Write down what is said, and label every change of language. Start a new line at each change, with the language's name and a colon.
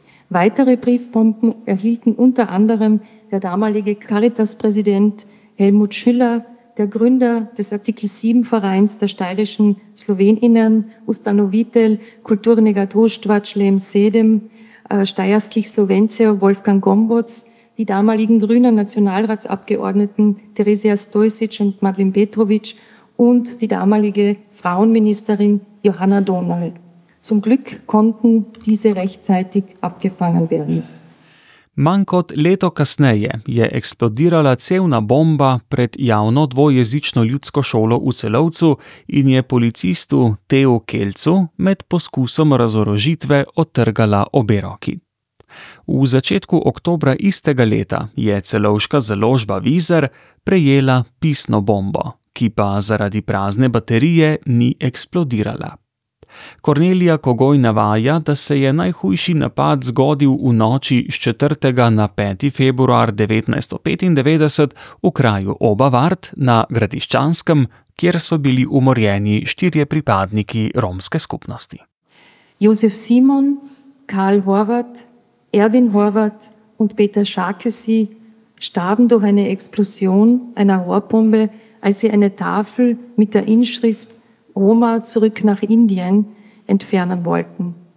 German: Weitere Briefbomben erhielten unter anderem der damalige Caritas-Präsident Helmut Schiller, der Gründer des Artikel 7 Vereins der steirischen Sloweninnen,
Slovenian: Ustanovitel Kulturnega društva Člem Sedem, Steierskich Slovencio
German: Wolfgang Gombotz, die damaligen grünen Nationalratsabgeordneten Theresia Stojcic und Madeleine Petrovic und die damalige Frauenministerin Johanna Donal. Zum Glück konnten diese rechtzeitig abgefangen werden.
Slovenian: Manj kot leto kasneje je eksplodirala cevna bomba pred javno dvojezično ljudsko šolo v Celovcu in je policistu Teo Kelcu med poskusom razorožitve otrgala obe roki. V začetku oktobra istega leta je celovška založba Vizer prejela pisno bombo, ki pa zaradi prazne baterije ni eksplodirala. Kornelija Kogoj navaja, da se je najhujši napad zgodil v noči z 4. na 5. februar 1995 v kraju Obavart na Gradiščanskem, kjer so bili umorjeni 4 pripadniki romske skupnosti.
German: Josef Simon, Karl Horvat, Erwin Horvat und Peter Scharkesi starben durch eine Explosion einer Rohrbombe, als sie eine Tafel mit der Inschrift Roma zurück nach Indien entfernen wollten.